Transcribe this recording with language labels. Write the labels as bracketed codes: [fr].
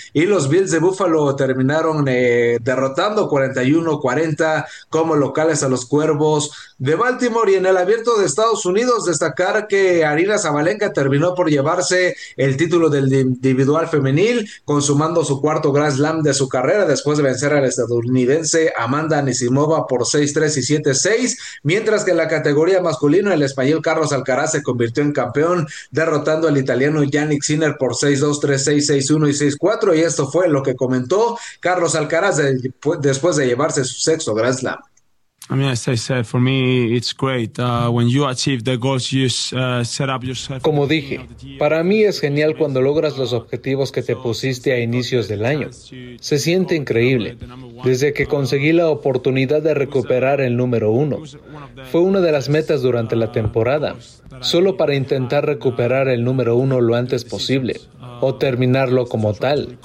[es] y los Bills de Buffalo terminaron derrotando 41-40 como locales a los Cuervos de Baltimore. Y en el Abierto de Estados Unidos, destacar que Arina Sabalenka terminó por llevarse el título del individual femenil, consumando su cuarto Grand Slam de su carrera después de vencer al estadounidense Amanda Anisimova por 6-3 y 7-6, mientras que en la categoría masculina el español Carlos Alcaraz se convirtió en campeón derrotando al italiano Yannick Sinner por 6-2, 3-6, 6-1 y 6-4, y esto fue lo que comentó Carlos Alcaraz después de llevarse su sexto Grand Slam. [en] I mean, as I said, for me, it's great when you achieve the goals you set up yourself. [es] Como dije, para mí es genial cuando logras los objetivos que te pusiste a inicios del año. Se siente increíble. Desde que conseguí la oportunidad de recuperar el número uno, fue una de las metas durante la temporada, solo para intentar recuperar el número uno lo antes posible o terminarlo como tal.